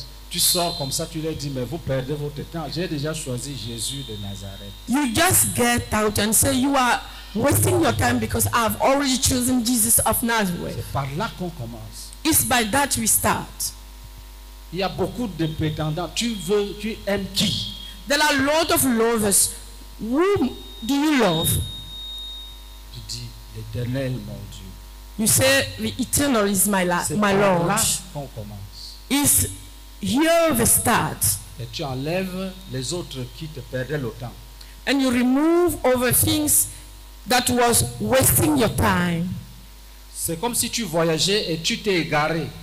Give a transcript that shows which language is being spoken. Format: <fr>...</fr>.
<fr>Tu sors comme ça, tu leur dis, mais vous perdez votre temps. J'ai déjà choisi Jésus de Nazareth.</fr> <en>You just get out and say you are wasting your time because I've already chosen Jesus of Nazareth.</en> <fr>C'est par là qu'on commence.</fr> <en>It's by that we start.</en> <fr>Il y a beaucoup de prétendants. Tu veux, tu aimes qui?</fr> <en>There are a lot of lovers. Whom do you love?</en> <fr>Tu dis, l'éternel, mon Dieu.</fr> <en>You say, the eternal is my Lord.</en> <fr>C'est</fr> <en>my Lord.</en> <fr>Là qu'on commence.</fr> <en>Is here the start.</en> <fr>Et tu enlèves les autres qui te perdaient le temps.</fr> <en>And you remove all the things that was wasting your time.</en> <fr>C'est comme si tu voyageais et tu t'es égaré.</fr>